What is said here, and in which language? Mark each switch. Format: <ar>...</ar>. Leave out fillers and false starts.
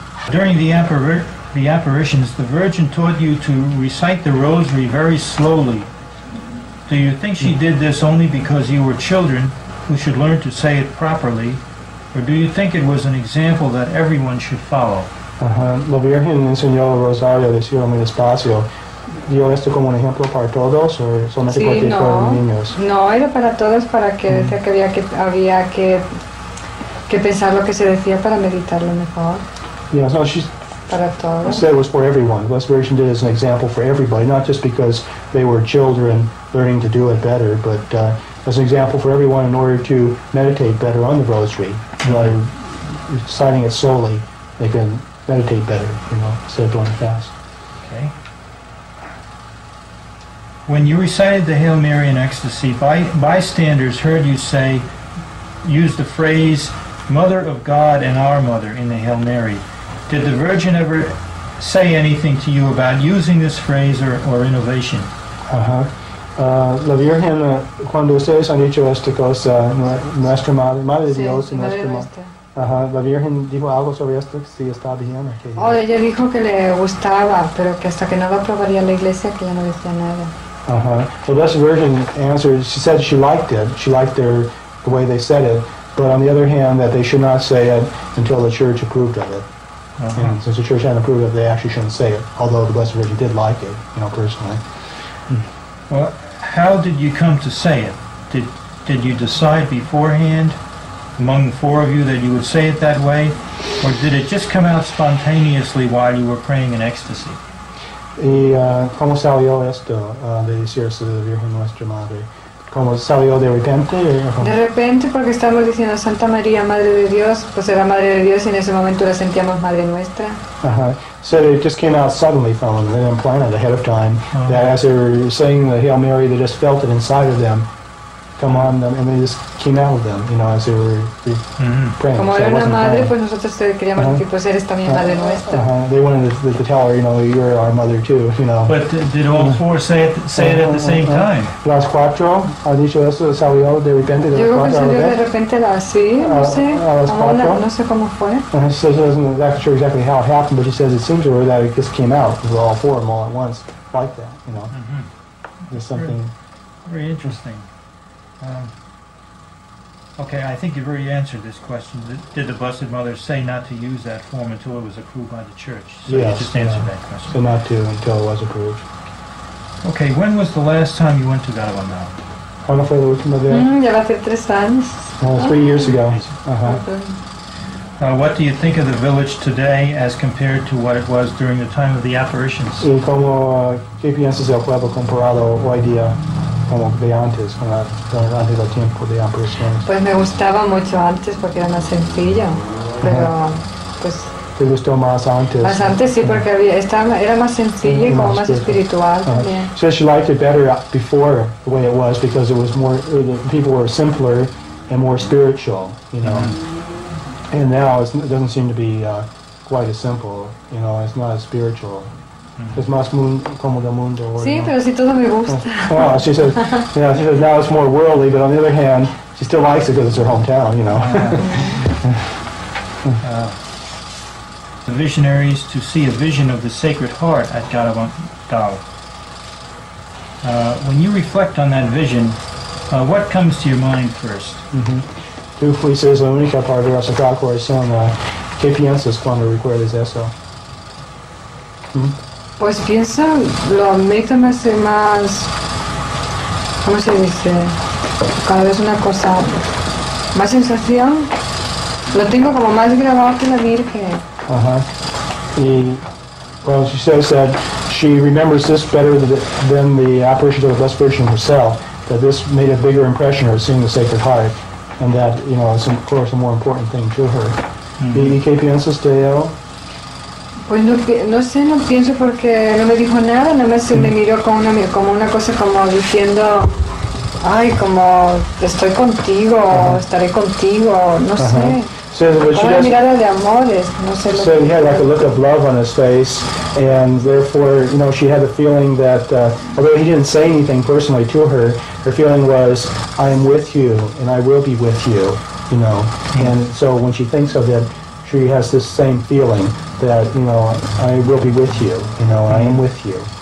<en>During the apparitions, the Virgin taught you to recite the rosary very slowly. Do you think she did this only because you were children who should learn to say it properly? Or do you think it was an example that everyone should follow?</en> <es>La Virgen enseñó el rosario, decirlo muy despacio. ¿Dio esto como un ejemplo para todos o solamente para los niños? No, era para todos, para que decía que había que pensar lo que se decía para meditarlo mejor.</es> <en>Yes, no, she's</en> <es>para todos.</es> <en>Said it was for everyone. The Blessed Virgin did it as an example for everybody, not just because they were children learning to do it better, but as an example for everyone in order to meditate better on the rosary. By reciting it slowly, they can meditate better, you know, instead of doing it fast. Okay. When you recited the Hail Mary in ecstasy, bystanders heard you use the phrase, Mother of God and Our Mother in the Hail Mary. Did the Virgin ever say anything to you about using this phrase or innovation? Uh-huh.</en> <es>La Virgen, cuando ustedes han dicho esta cosa, nuestra madre, madre de Dios, sí, nuestra madre. La Virgen dijo algo sobre esto, si está bien. Que, ella dijo que le gustaba, pero que hasta que no lo aprobaría la iglesia, que ya no decía nada.</es> <en>The Blessed Virgin answered, she said she liked it, she liked their, the way they said it, but on the other hand, that they should not say it until the church approved of it. Uh-huh. And since the church hadn't approved of it, they actually shouldn't say it, although the Blessed Virgin did like it, you know, personally. Well, how did you come to say it? Did you decide beforehand, among the four of you, that you would say it that way? Or did it just come out spontaneously while you were praying in ecstasy?</en> <es>Y cómo salió esto de decirse de la Virgen Nuestra Madre? ¿Cómo salió de repente? De repente, porque estábamos diciendo Santa María, Madre de Dios, pues era Madre de Dios y en ese momento la sentíamos Madre Nuestra.</es> <en>So it just came out suddenly from them, they didn't plan it ahead of time. Uh-huh. That as they were saying the Hail Mary, they just felt it inside of them, come on them, and they just came out of them, you know, as they were praying.</en> <es>Como era una madre, pues nosotros queríamos decir, pues eres también madre nuestra.</es> <en>They wanted to tell her, you know, you're our mother too, you know. But did all four say it at the same time?</en> <es>Las cuatro, ha dicho eso, salió de repente, las cuatro. Yo creo que salió de repente así, no sé, no sé cómo fue.</es> <en>She doesn't exactly sure exactly how it happened, but she says it seems to her that it just came out, with all four of them all at once, like that, you know. Mm-hmm. Just something. Very interesting. Okay, I think you've already answered this question. Did the Blessed Mother say not to use that form until it was approved by the church? So not to until it was approved. Okay, when was the last time you went to Garabandal?</en> <es>¿Cuándo fue la última vez? Ya va a ser tres años.</es> <en>3 years ago. What do you think of the village today as compared to what it was during the time of the apparitions?</en> <es>¿Y cómo qué piensas del pueblo comparado hoy día? Como de antes, durante el tiempo de apariciones. Pues me gustaba mucho antes porque era más sencillo, pero pues... ¿Te gustó más antes? Más antes sí, porque era más sencillo y como más espiritual también.</es> <en>So she liked it better before the way it was because it was more, the people were simpler and more spiritual, you know. Mm-hmm. And now it doesn't seem to be quite as simple, you know, it's not as spiritual. It's</en> <es>más como del mundo. Sí, pero si todo me gusta.</es> <en>Well, she says, you know, she says now it's more worldly, but on the other hand, she still likes it because it's her hometown, you know. The visionaries to see a vision of the Sacred Heart at Garabandal. When you reflect on that vision, what comes to your mind first?</en> <es>Tú fuiste la única para ver a Sagrado Corazón. ¿Qué piensas cuando recuerdas eso? Pues pienso, lo admito, me hace más, ¿cómo se dice? Cada vez una cosa, más sensación, lo tengo como más grabado que la Virgen. Uh-huh. Y,</es> <en>well, she says that she remembers this better than the apparition of the Blessed Virgin herself, that this made a bigger impression of seeing the Sacred Heart, and that, you know, it's of course a more important thing to her.</en> <es>Mm-hmm. ¿Y qué piensas de él? Pues no pienso porque no me dijo nada, nada más me miró como una cosa como diciendo, ay, como estoy contigo, estaré contigo, no sé.</es> <en>So,</en> <es>como una mirada de amores, no sé.</es> <en>So he had like a look of love on his face, and therefore, you know, she had a feeling that, although he didn't say anything personally to her, her feeling was, I am with you, and I will be with you, you know. Mm-hmm. And so when she thinks of it, she has this same feeling that, you know, I will be with you, you know, I am with you.</en>